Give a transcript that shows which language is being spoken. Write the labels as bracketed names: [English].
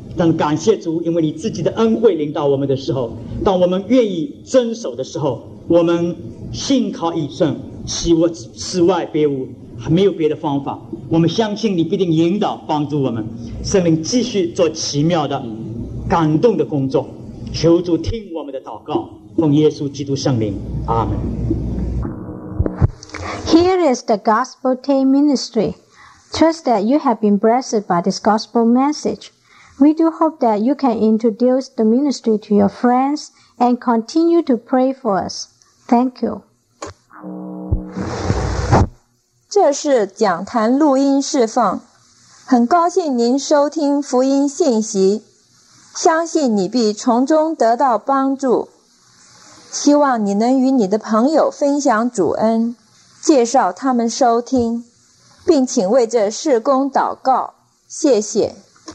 [Chinese] 但感谢主，因为你自己的恩惠临到我们的时候，当我们愿意遵守的时候，我们信靠一生，此外别无，没有别的方法。我们相信你必定引导帮助我们，圣灵继续做奇妙的感动的工作。求主听我们的祷告，奉耶稣基督圣灵，阿们。 [English] Here is the Gospel Team Ministry. Trust that you have been blessed by this gospel message. We do hope that you can introduce the ministry to your friends and continue to pray for us. Thank you. [Chinese] 这是讲坛录音释放，很高兴您收听福音信息，相信你必从中得到帮助，希望你能与你的朋友分享主恩，介绍他们收听，并请为这事工祷告，谢谢。